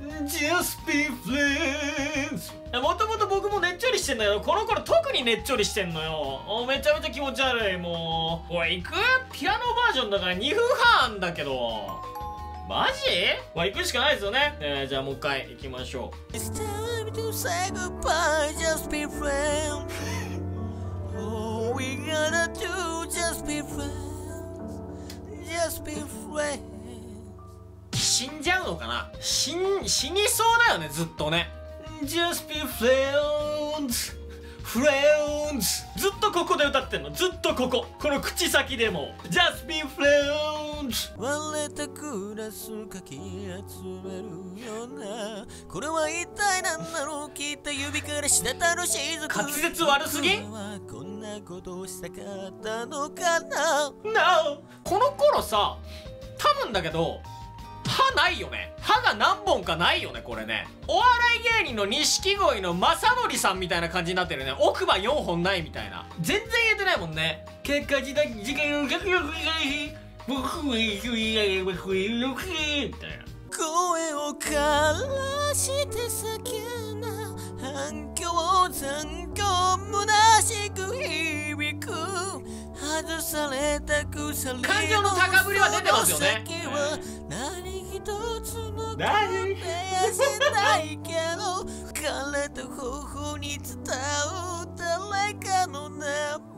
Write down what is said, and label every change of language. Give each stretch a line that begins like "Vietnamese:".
English: Just be friends。
Japanese: もともと僕もねっちょりしてんだけど、この頃特にねっちょりしてんのよ。おめちゃめちゃ気持ち悪い、もう。おい、行く？ピアノバージョンだから2分半あんだけど。マジ？まあ行くしかないですよね。じゃあもう一回行きましょう。
English: It's time to say goodbye, just be friends. All we gotta do, just be friends. Just be friends.
Japanese: 死んじゃうのかな？死にそうだよね、ずっとね。
English: Just be friends, friends.
Japanese: ずっとここで歌ってんの、ずっとここ、この口先でも。
English: Just be friends.
Japanese: 割れたグラスかき集めるような、これは一体何だろう、聞いた指から滴る滴。滑舌悪すぎ。こんなことをしたかったのかな。
English: No.
Japanese: この頃さ、多分だけど歯ないよね。歯が何本かないよね、これね。お笑い芸人の錦鯉の雅紀さんみたいな感じになってるね。奥歯4本ないみたいな。全然言えてないもんね。結果時代、時間、逆に、僕は行くいや僕は行くみたいな声を枯らして叫んだ反響残響虚しく響く外された鎖の感情の高ぶりは出てますよね、何一つも感じやせないけど枯れた頬に伝う誰かの涙